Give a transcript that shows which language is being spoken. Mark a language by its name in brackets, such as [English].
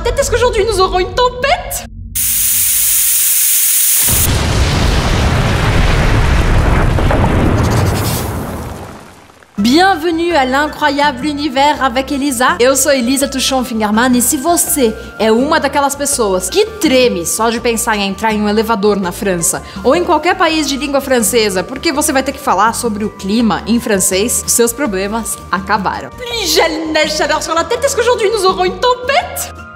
[French] qu'aujourd'hui nous aurons une tempête ? Bienvenue à l'incroyable univers avec Elisa. [Portuguese] Eu sou Elisa Tuchon Fingerman e se você é uma daquelas pessoas que treme só de pensar em entrar em um elevador na França ou em qualquer país de língua francesa porque você vai ter que falar sobre o clima em francês, seus problemas acabaram. [French] Plus gel, neige, chaleur sur la tête, est-ce qu'aujourd'hui nous aurons une tempête?